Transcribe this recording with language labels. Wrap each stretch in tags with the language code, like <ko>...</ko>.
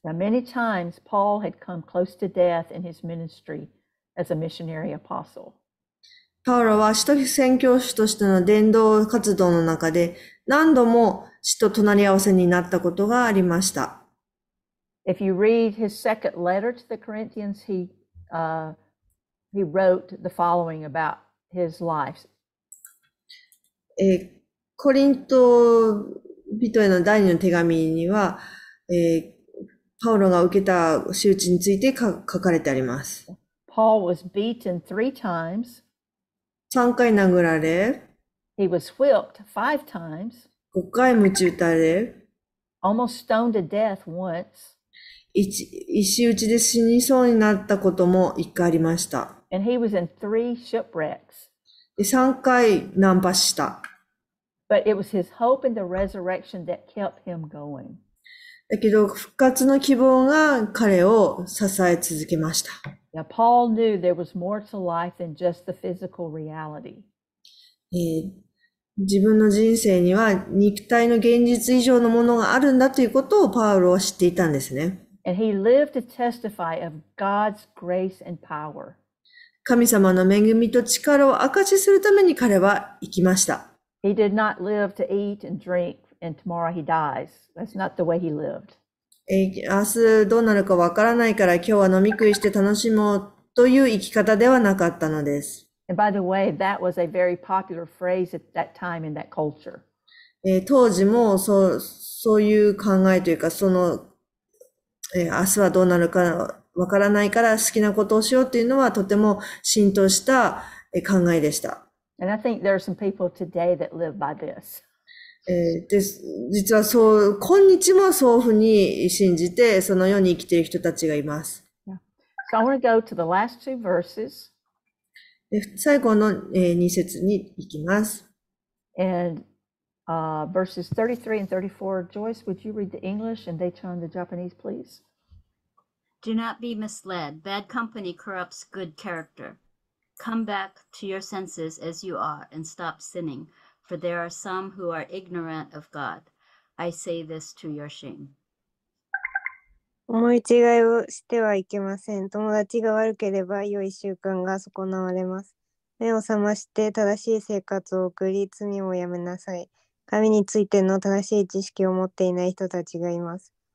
<en>Now, many times Paul had come close to death in his ministry as a missionary apostle.</en> <ja>パウロは使徒宣教師としての伝道活動の中で何度も死と隣り合わせになったことがありました。</ja> <en>If you read his second letter to the Corinthians, he wrote the following about his life.</en> <ja>コリント人への第二の手紙には、パウロが受けた仕打ちについて書かれてあります。</ja> <en>Paul was beaten three times.</en> <ja>三回殴られ。</ja> <en>He was whipped five times.</en> <ja>五回鞭打たれ。</ja> <en>Almost stoned to death once.</en> <ja>石打ちで死にそうになったことも一回ありました。</ja> <en>And he was in three shipwrecks.</en> <ja>で、三回難破した。</ja> <en>But it was his hope in the resurrection that kept him going.</en> <ja>だけど復活の希望が彼を支え続けました。</ja> <en>Now, Paul knew there was more to life than just the physical reality.</en> <ja>自分の人生には肉体の現実以上のものがあるんだということをパウロは知っていたんですね。</ja> <en>And he lived to testify of God's grace and power.</en> <ja>神様の恵みと力を証しするために彼は生きました。</ja> <en>He did not live to eat and drink, and tomorrow he dies. That's not the way he lived.</en> <ja>明日どうなるかわからないから今日は飲み食いして楽しもうという生き方ではなかったのです。</ja> <en>And by the way, that was a very popular phrase at that time in that culture.</en> <ja>当時もそういう考えというか、その、明日はどうなるかわからないから好きなことをしようというのはとても浸透した考えでした。</ja> <en>And I think there are some people today that live by this.</en> <ja>で、実はそう、今日もそういうふうに信じて、そのように生きている人たちがいます。</ja> <en>Yeah. So I want to go to the last two verses.</en> <ja>最後の、2節に行きます。</ja> <en>And, verses 33 and 34, Joyce, would you read the English and they turn the Japanese, please? Do not be misled. Bad company corrupts good character. Come back to your senses as you are and stop sinning, for there are some who are ignorant of God. I say this to your shame.</en> <ja>思い違いをしてはいけません。友達が悪ければ良い習慣が損なわれます。目を覚まして正しい生活を送り、罪をやめなさい。神についての正しい知識を持っていない人たちがいます。</ja>